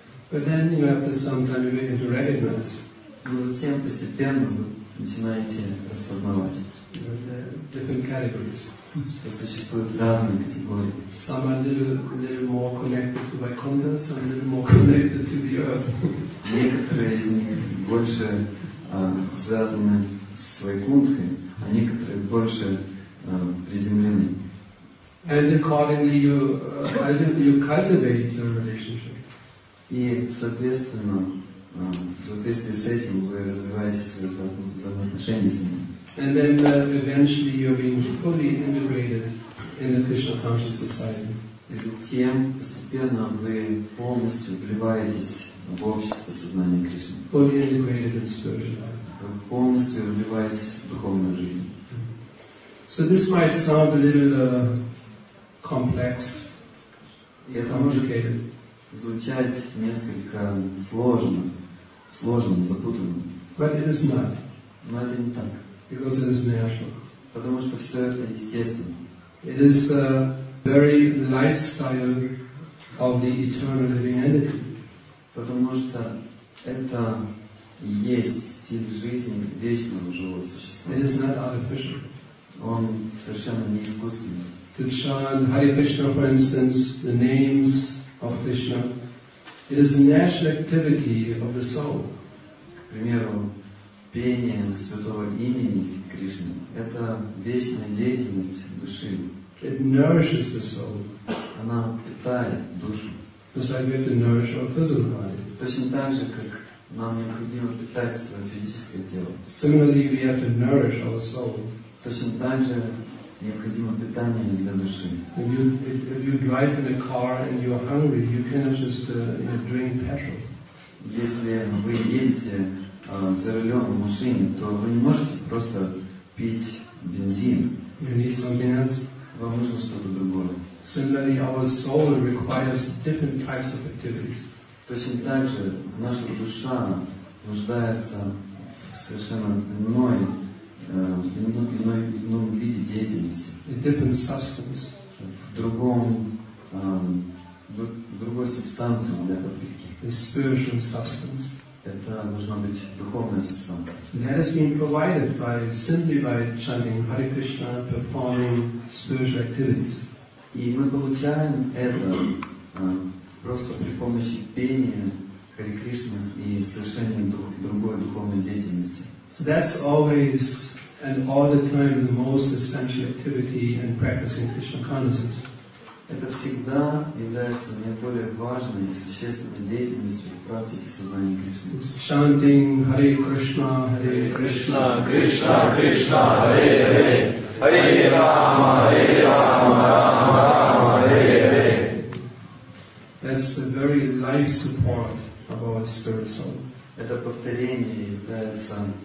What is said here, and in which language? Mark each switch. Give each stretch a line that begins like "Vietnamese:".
English: But then, you know, after some time, you begin to recognize.
Russian: Но затем постепенно начинаете распознавать.
English: Different categories.
Russian: Что существуют разные категории.
English: Some are little more connected to Vaikuntha, some a little more connected to the earth.
Russian: Некоторые из них больше связаны с Вайкунтхой, а некоторые больше приземлены.
English: And accordingly, you cultivate your relationship.
Russian: И соответственно, в соответствии с этим вы развиваете свои взаимоотношения с ним.
English: And then eventually you're being fully integrated in the Krishna conscious society.
Russian: И затем постепенно вы полностью вливаетесь в общество сознания Кришны.
English: Fully integrated in spiritual life.
Russian: Вы полностью вливаетесь в духовную жизнь.
English: So this might sound a little complex.
Russian: Это может звучать несколько сложным, запутанным.
English: But it is not.
Russian: Но это не так.
English: Because it is natural.
Russian: Потому что все это естественно.
English: It is a very lifestyle of the eternal living entity.
Russian: Потому что это есть стиль жизни вечного живого существа.
English: It is not artificial.
Russian: Он совершенно не искусственный.
English: To chant Hare Krishna, for instance, the names of Krishna, it is a natural activity of the soul.
Russian: К примеру, пение святого имени Кришны – это вечная деятельность души.
English: It nourishes the soul.
Russian: Она питает душу.
English: Just like we have to nourish our physical body.
Russian: Точно так же, как нам необходимо питать свое физическое тело.
English: Similarly, we have to nourish our soul.
Russian: Точно так же. Необходимо питание для души.
English: If you drive in a car and you are hungry, you cannot just drink petrol.
Russian: Если вы едете за рулем в машине, то вы не можете просто пить бензин.
English: You need something else.
Russian: Вам нужно что-то другое.
English: Similarly, our soul requires different types of activities.
Russian: Точно так же наша душа нуждается в совершенно иной. В ином виде деятельности.
English: A different substance.
Russian: В другой субстанции для подпитки.
English: A spiritual substance.
Russian: Это должна быть духовная субстанция.
English: And that has been provided simply by chanting Hare Krishna, performing spiritual activities.
Russian: И мы получаем это просто при помощи пения Харе Кришна и совершения другой духовной деятельности.
English: So that's always and all the time the most essential activity in practicing Krishna consciousness.
Russian: Это всегда является наиболее важной и существенной деятельностью в практике сознания Кришны.
English: Chanting
Sanskrit: Hare Krishna, Hare Krishna, Krishna Krishna, Hare Hare, Hare Rama, Hare Rama, Rama Rama, Hare Hare.
English: That's the very life support of our spirit soul.
Russian: Это повторение является